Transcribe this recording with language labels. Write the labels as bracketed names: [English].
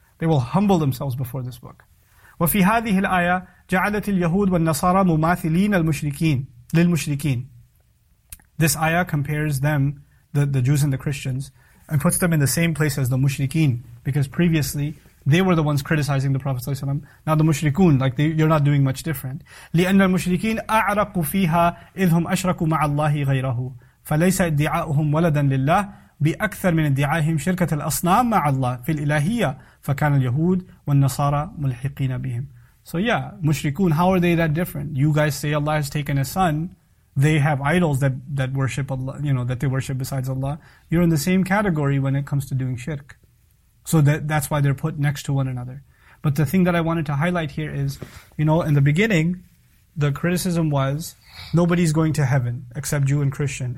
[English] They will humble themselves before this book. [Arabic] وَفِي هَذِهِ الْآيَةِ جَعَلَتِ الْيَهُودُ وَالنَّصَارَى مُمَاثِلِينَ الْمُشْرِكِينَ لِلْمُشْرِكِينَ. [English] This ayah compares them, the Jews and the Christians, and puts them in the same place as the mushrikeen, because previously they were the ones criticizing the Prophet ﷺ. Now the mushrikeen, like you're not doing much different. [Arabic] لِأَنَّ الْمُشْرِكِينَ أَعْرَقُ فِيهَا إِذْ هُمْ أَشْرَكُوا مَعَ اللَّهِ غَيْرَهُ فَلَيْسَ إِدْدِعَاؤُهُمْ وَلَدًا لِلَّهِ بأكثر من ادعائهم شركة الأصنام مع الله في الإلهية فكان اليهود والنصارى ملحقين بهم. [English] So yeah, mushrikun, how are they that different? You guys say Allah has taken a son, they have idols that worship Allah, you know, that they worship besides Allah. You're in the same category when it comes to doing shirk. So that's why they're put next to one another. But the thing that I wanted to highlight here is, you know, in the beginning, the criticism was, nobody's going to heaven except Jew and Christian.